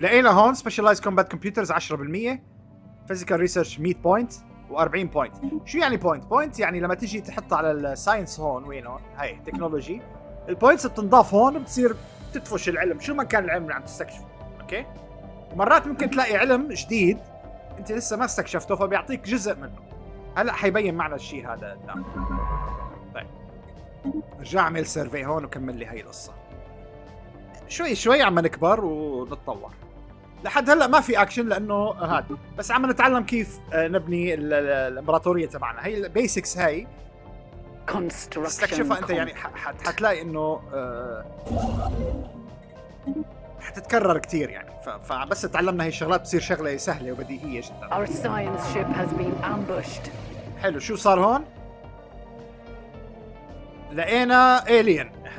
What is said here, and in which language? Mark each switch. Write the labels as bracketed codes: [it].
[ar] لقينا هون Specialized Combat Computers 10%. [en] Physical Research 100 point. و 40 point. [ar] شو يعني point؟ point يعني لما تيجي تحط على ال science هون وين هون؟ هاي technology. ال points بتنضاف هون بتصير تدفش العلم شو ما كان العلم اللي عم تستكشفه. Okay. ومرات ممكن تلاقي علم جديد انت لسه ما استكشفته فبيعطيك جزء منه. هلا حيبين معنى الشيء هذا قدام. رجع اعمل سيرفي هون وكمل لي هاي القصة. شوي شوي عم نكبر ونتطور. لحد هلا ما في اكشن لانه هاد، بس عم نتعلم كيف نبني الامبراطورية تبعنا. هاي البيسكس هاي استكشفها انت يعني حتلاقي انه حتتكرر كتير يعني. فبس تعلمنا هاي الشغلات بصير شغلة سهلة وبديهية جدا. [en] Our science ship has been ambushed. [ar] حلو شو صار هون؟ لقينا إيليان.